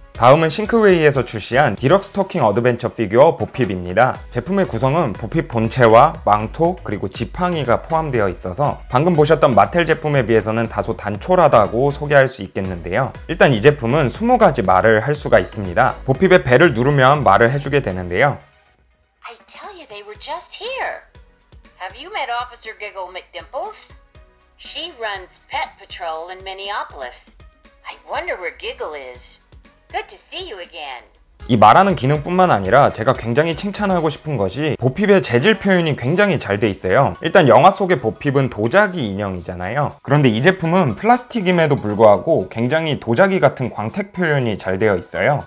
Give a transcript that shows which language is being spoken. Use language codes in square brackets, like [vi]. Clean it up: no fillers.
[ko] 다음은 싱크웨이에서 출시한 디럭스 토킹 어드벤처 피규어 보핍입니다. 제품의 구성은 보핍 본체와 망토 그리고 지팡이가 포함되어 있어서 방금 보셨던 마텔 제품에 비해서는 다소 단촐하다고 소개할 수 있겠는데요. 일단 이 제품은 20가지 말을 할 수가 있습니다. 보핍의 배를 누르면 말을 해주게 되는데요. [en] I tell you they were just here. Have you met Officer Giggle McDimples? She runs Pet Patrol in Minneapolis. I wonder where Giggle is. Good to see you again. [ko] 이 말하는 기능뿐만 아니라 제가 굉장히 칭찬하고 싶은 것이 보핍의 재질 표현이 굉장히 잘 돼 있어요. 일단 영화 속의 보핍은 도자기 인형이잖아요. 그런데 이 제품은 플라스틱임에도 불구하고 굉장히 도자기 같은 광택 표현이 잘 되어 있어요.